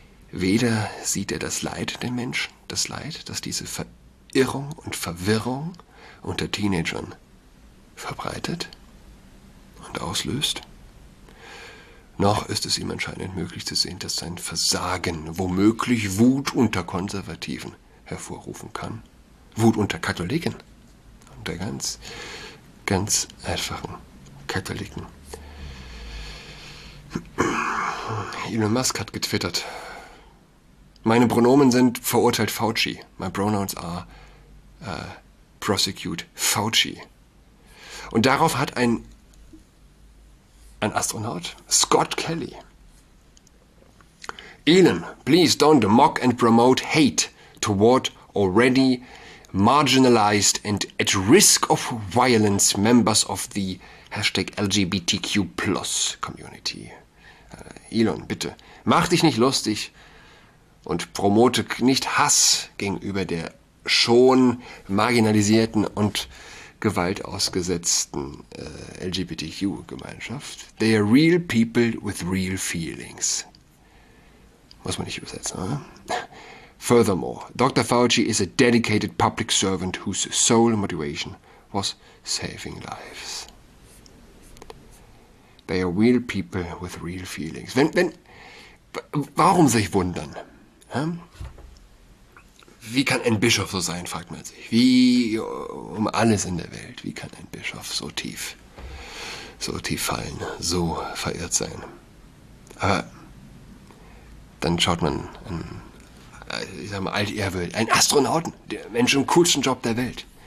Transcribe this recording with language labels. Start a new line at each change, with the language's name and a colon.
German: Weder sieht er das Leid der Menschen, das Leid, das diese Verirrung und Verwirrung unter Teenagern verbreitet und auslöst, noch ist es ihm anscheinend möglich zu sehen, dass sein Versagen womöglich Wut unter Konservativen hervorrufen kann, Wut unter Katholiken, unter ganz, ganz einfachen Katholiken. Elon Musk hat getwittert: Meine Pronomen sind verurteilt Fauci.
English: My pronouns are prosecute Fauci.
German: Und darauf hat ein Astronaut, Scott Kelly:
English: Elon, please don't mock and promote hate toward already marginalized and at risk of violence members of the #LGBTQ plus community.
German: Elon, bitte, mach dich nicht lustig und promote nicht Hass gegenüber der schon marginalisierten und gewaltausgesetzten LGBTQ-Gemeinschaft.
English: They are real people with real feelings.
German: Muss man nicht übersetzen, oder?
English: Furthermore, Dr. Fauci is a dedicated public servant whose sole motivation was saving lives. They are real people with real feelings.
German: Warum sich wundern? Hä? Wie kann ein Bischof so sein, fragt man sich. Wie um alles in der Welt, wie kann ein Bischof so tief fallen, so verirrt sein? Aber dann schaut man ein Astronauten, der Mensch im coolsten Job der Welt.